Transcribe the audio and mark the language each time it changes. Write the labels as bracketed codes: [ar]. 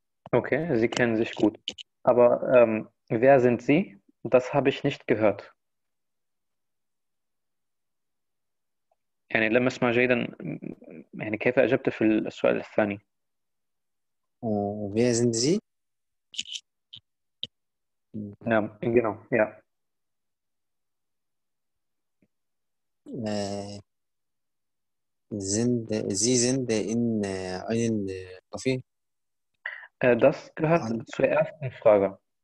[de] Okay, Sie kennen sich gut. Aber wer sind Sie? Das habe ich nicht gehört. [ar] يعني لما اسمع جيدا يعني كيف أجبت في السؤال الثاني؟ [de] Wer sind Sie? [ar] نعم، [de] genau، ja. Sie sind in einem Café. Das gehört zur ersten Frage.